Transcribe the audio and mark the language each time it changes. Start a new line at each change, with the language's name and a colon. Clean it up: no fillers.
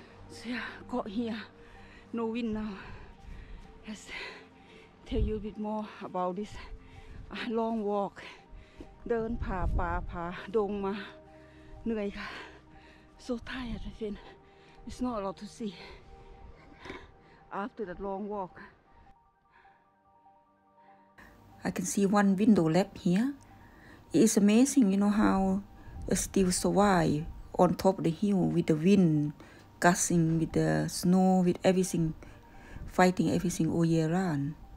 English: So yeah, got here. No wind now. Let's tell you a bit more about this long walk.
Thai: เดินผ่าป่าผ่าดงมาเหนื่อยค่ะ
English: so tired I feel. It's not a lot to see after that long walk. I can see one window left here. It's amazing, you know, how it still survive on top of the hill with the wind gusting, with the snow, with everything. Fighting everything all year round.